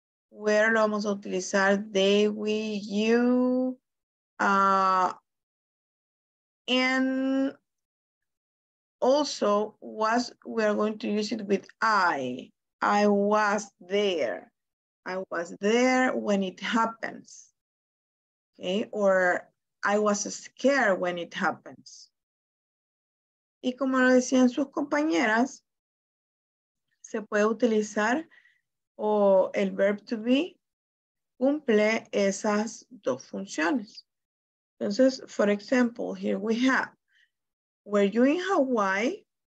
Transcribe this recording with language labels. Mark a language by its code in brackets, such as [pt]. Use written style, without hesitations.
[en] Where [es] lo vamos a utilizar, [en] they, we, you, and also was, we are going to use it with I was there, I was there when it happens. Okay, or I was scared when it happens. [es] Y como lo decían sus compañeras, se puede utilizar o el verb to be cumple esas dos funciones. [en] Entonces, for example, here we have, were you in Hawaii?